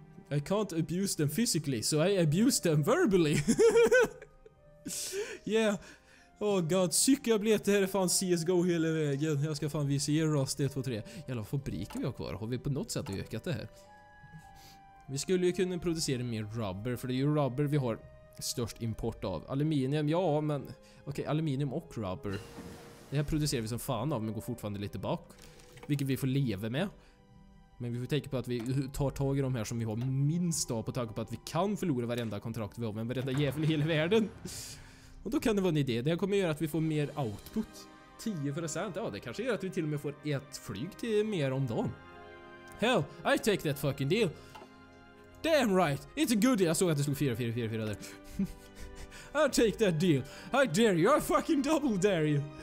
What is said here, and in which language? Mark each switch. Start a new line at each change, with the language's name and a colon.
English: I can't abuse them physically, so I abuse them verbally. Yeah.
Swedish: Åh god, cykelbiljetter här är fan CSGO hela vägen. Jag ska fan visa er Rust 1, 2, 3. Jävla fabriker vi har kvar. Har vi på något sätt ökat det här? Vi skulle ju kunna producera mer rubber. För det är ju rubber vi har störst import av. Aluminium, ja men... Okej, aluminium och rubber. Det här producerar vi som fan av men går fortfarande lite bak. Vilket vi får leva med. Men vi får tänka på att vi tar tag i de här som vi har minst av. På tag på att vi kan förlora varenda kontrakt vi har med varenda jävel i hela världen. Och då kan det vara en idé. Det här kommer göra att vi får mer output. 10%. Ja, det kanske gör att vi till och med får ett flyg till mer om dagen.
English: Hell, I take that fucking deal. Damn right. It's a good deal.
Swedish: Jag såg att det stod 4-4-4-4 där.
English: I take that deal. I dare you. I fucking double dare you.